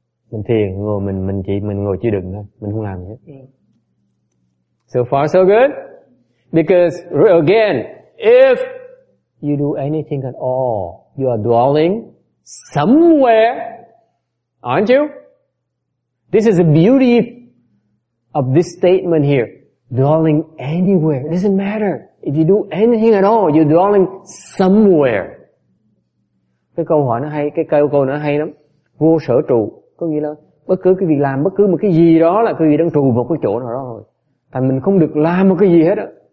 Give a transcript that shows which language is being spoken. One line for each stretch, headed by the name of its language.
Vietnamese: Mình thiền, ngồi mình ngồi chịu đựng thôi, mình không làm gì hết.
English: So far so good. Because again, if you do anything at all, you are dwelling somewhere, aren't you? This is the beauty of this statement here. Dwelling anywhere, it doesn't matter. If you do anything at all, you're dwelling somewhere.
Vietnamese: Cái câu hỏi nó hay, cái câu câu nó hay lắm. Vô sở trụ. Có nghĩa là bất cứ cái việc làm, bất cứ một cái gì đó là cái gì đang trù một cái chỗ nào đó rồi. Thành mình không được làm một cái gì hết á.